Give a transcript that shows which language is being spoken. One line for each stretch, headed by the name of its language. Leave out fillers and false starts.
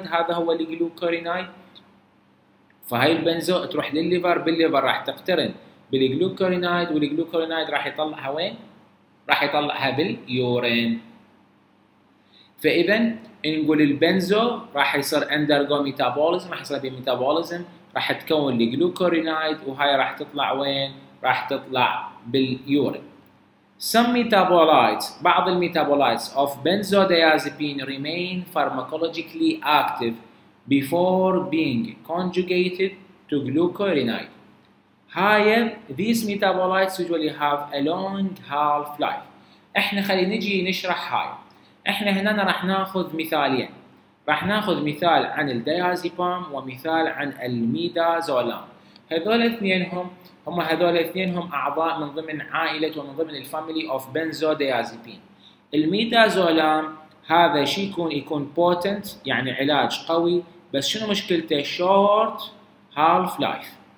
Arabic: هذا هو الجلوكورينايد، فهي البنزو تروح للليفر، بالليفر راح تقترن بالجلوكورينايد، والجلوكورينايد راح يطلعها وين؟ راح يطلعها باليورين. فاذا نقول البنزو راح يصير اندرجو ميتابوليزم، راح يصير بميتابوليزم، راح تكون الجلوكورينايد، وهاي راح تطلع وين؟ راح تطلع باليورين.
English: Some metabolites,
Arabic: بعض الميتابولايتس
English: of benzodiazepine remain pharmacologically active before being conjugated to glucuronide. However, these metabolites usually have a long half-life.
Arabic: احنا خلينا نجي نشرح هاي. احنا هنا راح ناخذ مثالين. راح ناخذ مثال عن الديازيبام ومثال عن الميدازولام. هذول اثنينهم هم هذول اثنينهم اعضاء من ضمن عائلة ومن ضمن الفاميلي اوف بنزودايازيبين. الميدازولام هذا شيء يكون بوتنت، يعني علاج قوي، بس شنو مشكلته؟ شورت هالف لايف.